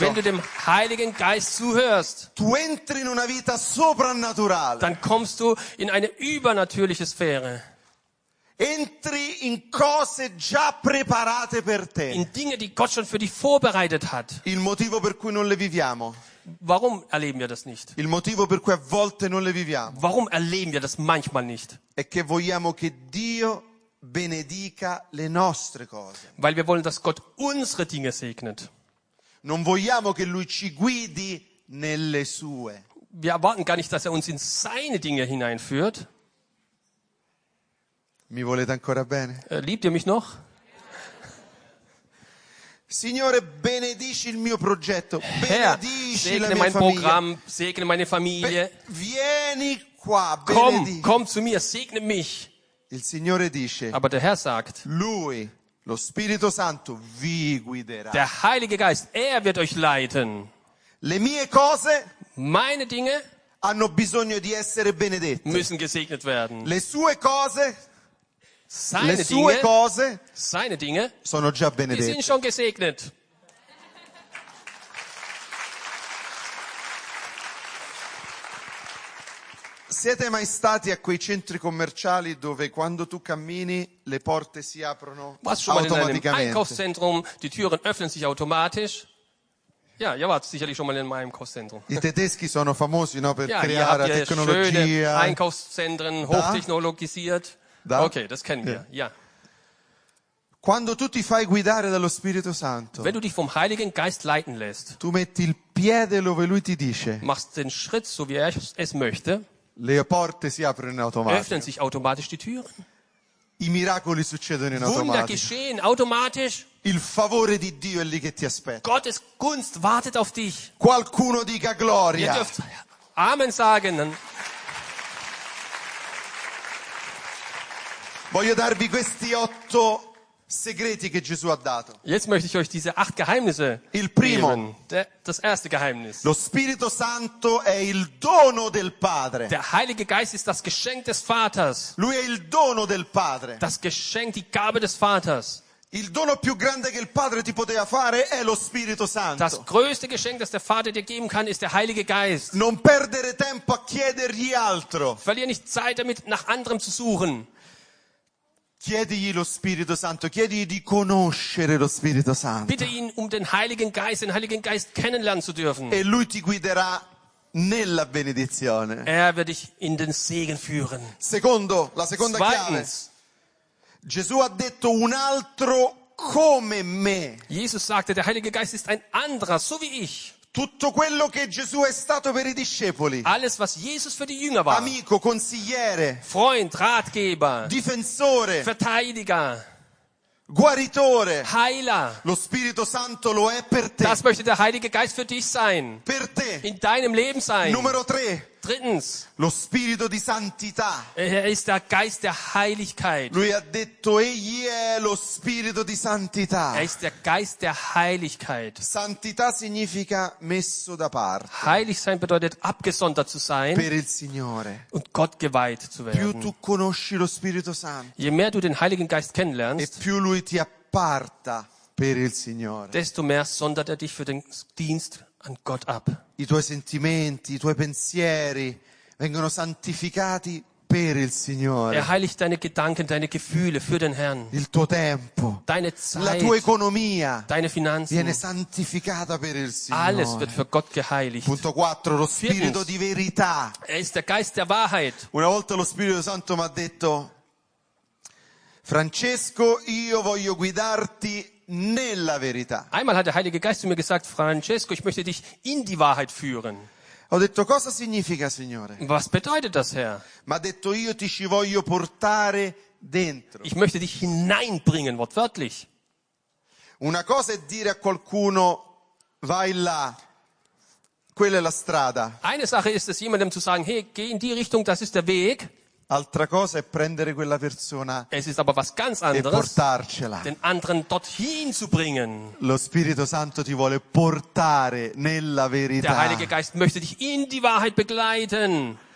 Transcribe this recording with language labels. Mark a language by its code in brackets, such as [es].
[de] wenn du dem Heiligen Geist zuhörst, [it] tu entri in una vita soprannaturale. [de] Dann kommst du in eine übernatürliche Sphäre. [it] Entri in cose già preparate per te. [de] In Dinge, die Gott schon für dich vorbereitet hat. [it] Il motivo per cui non le viviamo. [de] Warum erleben wir das nicht? [it] Il motivo per cui a volte non le viviamo. [de] Warum erleben wir das manchmal nicht? [it] È che vogliamo che Dio benedica le nostre cose. [de] Weil wir wollen, dass Gott unsere Dinge segnet. [it] Non vogliamo che lui ci guidi nelle sue. [de] Wir erwarten gar nicht, dass er uns in seine Dinge hineinführt. [it] Mi volete ancora bene? [de] Liebt ihr mich noch? [it] Signore, benedici il mio progetto. Benedici [de] Herr, segne [it] la mia [de] mein [it] famiglia. [de] Programm, segne meine Familie. [it] Vieni qua, benedici. [de] Komm zu mir, segne mich. [it] Il Signore dice. [de] Aber der Herr sagt. [it] Lui, lo Spirito Santo, vi guiderà. [de] Der Heilige Geist, wird euch leiten. [it] Le mie cose. [de] Meine Dinge. [it] Hanno bisogno di essere benedette. [de] Müssen gesegnet werden. [it] Le sue cose. [de] Seine [it] le [de] Dinge. [it] Le sue cose. [de] Seine Dinge. [it] Sono già benedette. [de] Die sind schon gesegnet. [it] Siete mai stati a quei centri commerciali dove quando tu cammini le porte si aprono automaticamente? [de] Warst du mal in einem Einkaufszentrum, die Türen öffnen sich automatisch? Ja, ihr wart sicherlich schon mal in meinem Einkaufszentrum. [it] I tedeschi sono famosi, no, per [de] ja, [it] creare [de] ihr habt [it] Tecnologia. [de] Schöne Einkaufszentren, hochtechnologisiert. Da? Okay, das kennen wir, ja. [it] Quando tu ti fai guidare dallo Spirito Santo, [de] wenn du dich vom Heiligen Geist leiten lässt, [it] tu metti il piede dove lui ti dice, [de] machst den Schritt so wie er es möchte, [it] le porte si aprono in automatico. [de] Öffnen sich automatisch die Türen. [it] I miracoli succedono in automatico. [de] Wunder geschehen automatisch. [it] Il favore di Dio è lì che ti aspetta. [de] Gottes Gunst wartet auf dich. [it] Qualcuno dica gloria. [de] Ihr dürft Amen sagen. [it] Voglio darvi questi otto segreti che Gesù ha dato. [de] Jetzt möchte ich euch diese acht Geheimnisse [it] il primo, [de] geben. Das erste Geheimnis. [it] Lo Spirito Santo è il dono del Padre. [de] Der Heilige Geist ist das Geschenk des Vaters. [it] Lui è il dono del Padre. [de] Das Geschenk, die Gabe des Vaters. [it] Il dono più grande che il Padre ti poteva fare è lo Spirito Santo. [de] Das größte Geschenk, das der Vater dir geben kann, ist der Heilige Geist. [it] Non perdere tempo a chiedergli altro. [de] Verlier nicht Zeit damit, nach anderem zu suchen. [it] Chiedigli lo Spirito Santo, chiedigli di conoscere lo Spirito Santo. [de] Bitte ihn um den Heiligen Geist kennenlernen zu dürfen. [it] E lui ti guiderà nella benedizione. [de] Er wird dich in den Segen führen. [it] Secondo, la seconda [de] Zweitens, [it] chiave. Gesù ha detto un altro come me. [de] Jesus sagte, der Heilige Geist ist ein anderer, so wie ich. [it] Tutto quello che Gesù è stato per i discepoli. [de] Alles was Jesus für die Jünger war. [it] Amico, consigliere. [de] Freund, Ratgeber. [it] Difensore. [de] Verteidiger. [it] Guaritore. [de] Heiler. [it] Lo Spirito Santo lo è per te. [de] Das möchte der Heilige Geist für dich sein. [it] Per te. [de] In deinem Leben sein. [it] Numero tre. [de] Drittens. [it] Lo Spirito di Santità. [de] Er ist der Geist der Heiligkeit. [it] Lui ha detto, egli è lo Spirito di Santità. [de] Er ist der Geist der Heiligkeit. [it] Santità significa messo da parte. [de] Heilig sein bedeutet abgesondert zu sein. [it] Per il Signore. [de] Und Gott geweiht zu werden. [it] Più tu conosci lo Spirito Santo. [de] Je mehr du den Heiligen Geist kennenlernst. [it] E più lui ti apparta per il Signore. [de] Desto mehr sondert er dich für den Dienst an Gott ab. [it] I tuoi sentimenti, i tuoi pensieri vengono santificati per il Signore. [de] Er heiligt deine Gedanken, deine Gefühle für den Herrn. [it] Il tuo tempo, [de] deine Zeit, [it] la tua economia, [de] deine Finanzen, [it] viene santificata per il Signore. [de] Alles wird für Gott geheiligt. [it] Punto 4, lo Spirito di verità. [de] Er ist der Geist der Wahrheit. [it] Una volta lo Spirito Santo mi ha detto, Francesco, io voglio guidarti nella verità. [de] Einmal hat der Heilige Geist zu mir gesagt, Francesco, ich möchte dich in die Wahrheit führen. [it] Ho detto, cosa significa, Signore? [de] Was bedeutet das, Herr? [it] Ma ha detto, io ti ci voglio portare dentro. [de] Ich möchte dich hineinbringen, wortwörtlich. [it] Una cosa è dire a qualcuno, vai là, quella è la strada. [de] Eine Sache ist es, jemandem zu sagen, hey, geh in die Richtung, das ist der Weg. [it] Altra cosa è prendere quella persona. [de] Es ist aber was ganz anderes, [it] e portarcela. [de] Den anderen dorthin zu bringen. [it] Lo Spirito Santo ti vuole portare nella verità. [de] Der Heilige Geist möchte dich in die Wahrheit begleiten.